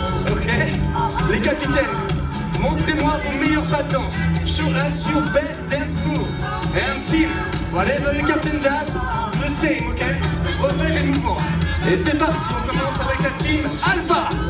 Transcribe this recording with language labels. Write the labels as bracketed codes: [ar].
[fr] Ok, les capitaines, montrez-moi vos meilleurs pas de danse. [en] Show us your best dance move. And Sim, whatever the captain does, the same, ok? [fr] Refais les mouvements. Et c'est parti, on commence avec la team Alpha.